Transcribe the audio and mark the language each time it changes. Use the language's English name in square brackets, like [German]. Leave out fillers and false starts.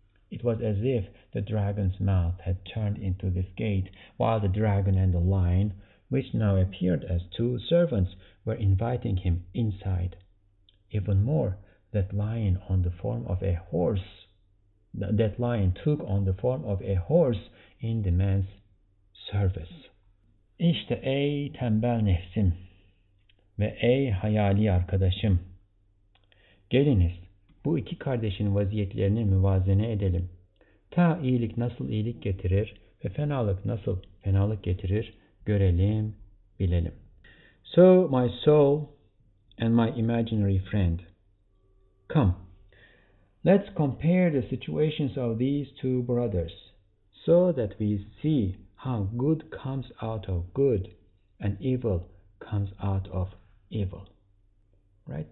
[English] It was as if the dragon's mouth had turned into this gate, while the dragon and the lion which now appeared as two servants were inviting him inside. Even more, that lion took on the form of a horse in the man's service. [Turkish] İşte ey tembel nefsim ve ey hayali arkadaşım. Geliniz bu iki kardeşin vaziyetlerini müvazene edelim. Ta iyilik nasıl iyilik getirir ve fenalık nasıl fenalık getirir görelim, bilelim. [English] So my soul and my imaginary friend, come, let's compare the situations of these two brothers so that we see how good comes out of good and evil comes out of evil. Right?